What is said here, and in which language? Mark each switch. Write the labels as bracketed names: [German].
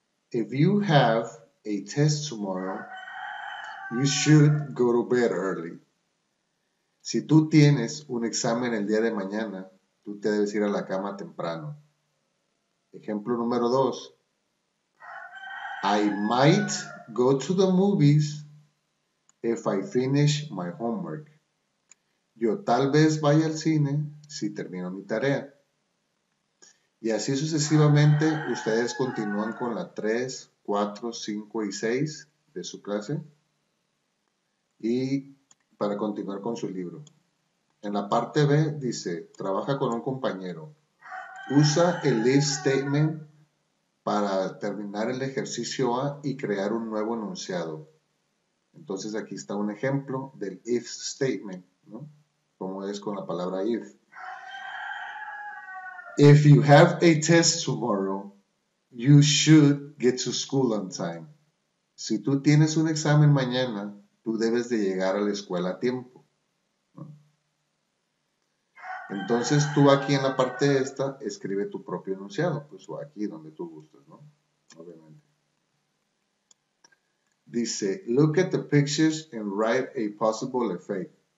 [English] If you have a test tomorrow, you should go to bed early. [Spanish] Si tú tienes un examen el día de mañana, tú te debes ir a la cama temprano. Ejemplo número dos. [English] I might go to the movies if I finish my homework. [Spanish] Yo tal vez vaya al cine si termino mi tarea. Y así sucesivamente, ustedes continúan con la 3, 4, 5 y 6 de su clase. Y para continuar con su libro. En la parte B dice, trabaja con un compañero. Usa el if statement para terminar el ejercicio A y crear un nuevo enunciado. Entonces aquí está un ejemplo del if statement, ¿no? Como es con la palabra if. [English] If you have a test tomorrow, you should get to school on time. [Spanish] Si tú tienes un examen mañana, tú debes de llegar a la escuela a tiempo. Entonces tú aquí en la parte de esta, escribe tu propio enunciado, pues o aquí donde tú gustes, ¿no? Obviamente. [English] Dice, look at the pictures and write a possible effect.